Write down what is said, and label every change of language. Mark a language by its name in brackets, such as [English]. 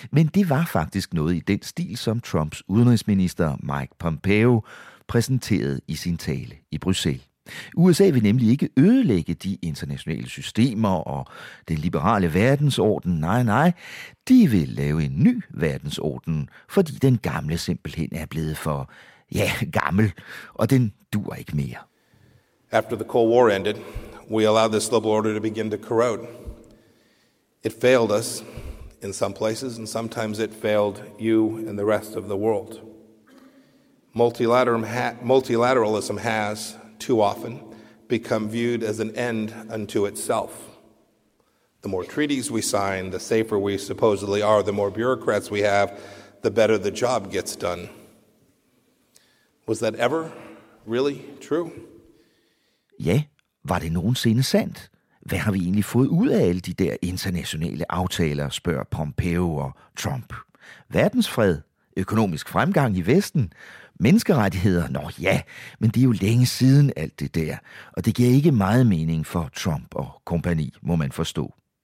[Danish] Men det var faktisk noget i den stil, som Trumps udenrigsminister Mike Pompeo præsenterede i sin tale i Bruxelles. USA vil nemlig ikke ødelægge de internationale systemer og den liberale verdensorden. Nej, nej. De vil lave en ny verdensorden, fordi den gamle simpelthen er blevet for, ja, gammel, og den dur ikke mere. [English] After the Cold War ended, we allowed this global order to begin to corrode. It failed us. in some places, and sometimes it failed you and the rest of the world. Multilateralism has, too often, become viewed as an end unto itself. The more treaties we sign, the safer we supposedly are, the more bureaucrats we have, the better the job gets done. Was that ever really true? [Danish] Ja, var det nogensinde sandt? Hvad har vi egentlig fået ud af alle de der internationale aftaler, spørger Pompeo og Trump? Verdensfred, økonomisk fremgang i Vesten, menneskerettigheder, nå ja, men det er jo længe siden alt det der, og det giver ikke meget mening for Trump og kompagni, må man forstå.